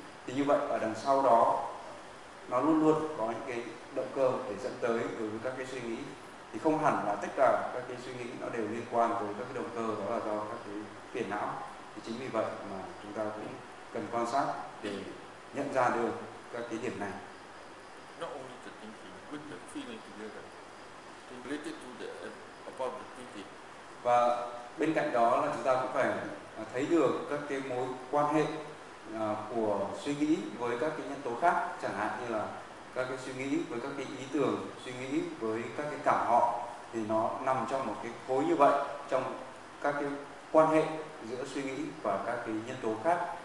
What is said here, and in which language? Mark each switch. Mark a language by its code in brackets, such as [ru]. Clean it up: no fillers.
[vi] Thì như vậy ở đằng sau đó nó luôn luôn có những cái động cơ để dẫn tới đối với các cái suy nghĩ. Thì không hẳn là tất cả các cái suy nghĩ nó đều liên quan tới các cái động cơ, đó là do các cái phiền não. Thì chính vì vậy mà chúng ta cũng cần quan sát để nhận ra được các cái điểm này. [en] Not only the thinking, with the feeling together, related to the about the thinking. [vi] Và bên cạnh đó là chúng ta cũng phải thấy được các cái mối quan hệ của suy nghĩ với các cái nhân tố khác, chẳng hạn như là các cái suy nghĩ với các cái ý tưởng, suy nghĩ với các cái cảm họ, thì nó nằm trong một cái khối như vậy, trong các cái quan hệ giữa suy nghĩ và các cái nhân tố khác.